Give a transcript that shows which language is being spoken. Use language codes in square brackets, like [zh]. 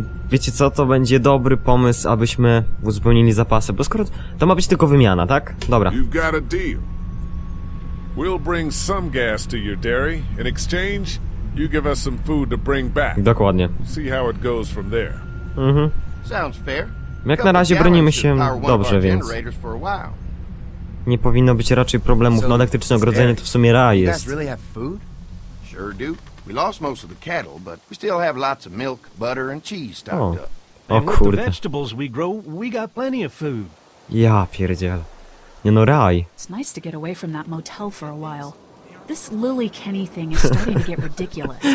[pl] Wiecie co, to będzie dobry pomysł, abyśmy uzupełnili zapasy, bo skoro to ma być tylko wymiana, tak? Dobra. [en] You've got a deal. We'll bring some gas to your dairy. In exchange, you give us some food to bring back. [pl] Dokładnie. [en] See how it goes from there. Mhm. Sounds fair. [pl] Jak na razie bronimy się dobrze, więc nie powinno być raczej problemów. No, elektryczne ogrodzenie to w sumie raj jest. [en] Sure do. We lost most of the cattle, but we still have lots of milk, butter, and cheese stocked up. [pl] O kurde. [en] And with the vegetables we grow, we got plenty of food. [pl] Ja pierdziel. Nie no, raj. [en] It's nice to get away from that motel for a while. This Lily Kenny thing is starting to get ridiculous.